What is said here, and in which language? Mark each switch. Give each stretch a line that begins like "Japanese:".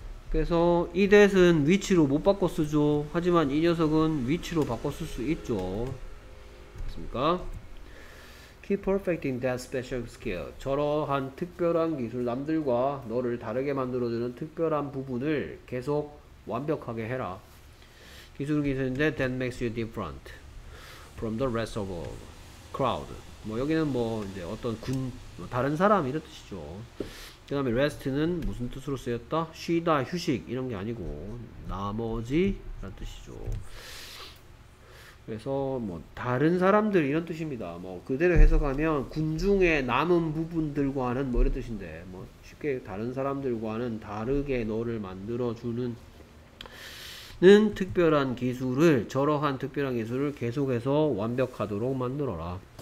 Korean: 그래서 이 that은 which로 못 바꿔 쓰죠. 하지만 이 녀석은 which로 바꿔 쓸 수 있죠. 맞습니까?
English: Keep perfecting that special skill.
Korean: 저러한 특별한 기술, 남들과 너를 다르게 만들어주는 특별한 부분을 계속 완벽하게 해라. 기술은 기술인데
English: that makes you different from the rest of the crowd.
Korean: 뭐 여기는 뭐 이제 어떤 군, 뭐 다른 사람 이런 뜻이죠. 그 다음에 rest는 무슨 뜻으로 쓰였다? 쉬다, 휴식 이런 게 아니고 나머지 라는 뜻이죠. 그래서 뭐 다른 사람들 이런 뜻입니다. 뭐 그대로 해석하면 군중의 남은 부분들과는 뭐 이런 뜻인데 뭐 쉽게 다른 사람들과는 다르게 너를 만들어주는 는 특별한 기술을 저러한 특별한 기술을 계속해서 완벽하도록 만들어라.